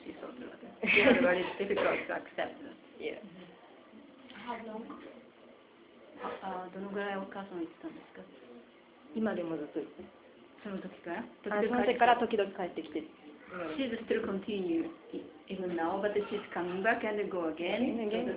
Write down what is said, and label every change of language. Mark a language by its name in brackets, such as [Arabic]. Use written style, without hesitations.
[English] She thought that. She was very difficult to accept. Yeah. How long? [Japanese] どのぐらいお母さんは言ってたんですか？今でもずっと。その時から？その時から時々帰ってきて。 [English] She's still continue even now, but she's coming back and go again.